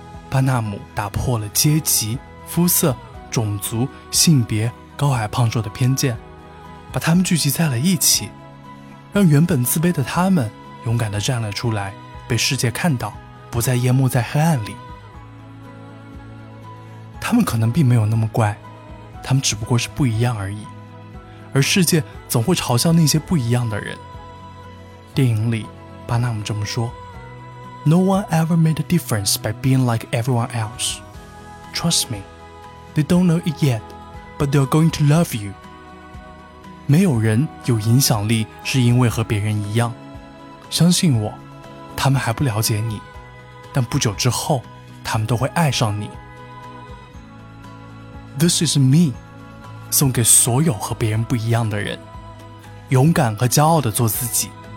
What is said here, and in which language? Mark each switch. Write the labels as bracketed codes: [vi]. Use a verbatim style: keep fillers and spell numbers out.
[zh] 巴纳姆打破了阶级、肤色、种族、性别、高矮胖瘦的偏见，把他们聚集在了一起，让原本自卑的他们勇敢地站了出来，被世界看到，不再淹没在黑暗里。他们可能并没有那么怪，他们只不过是不一样而已，而世界总会嘲笑那些不一样的人。电影里巴纳姆这么说 [en] No one ever made a difference by being like everyone else. Trust me, they don't know it yet, but they're going to love you. [zh] 没有人有影响力是因为和别人一样，相信我，他们还不了解你，但不久之后，他们都会爱上你。 [en] This is me, [zh] 送给所有和别人不一样的人，勇敢和骄傲地做自己。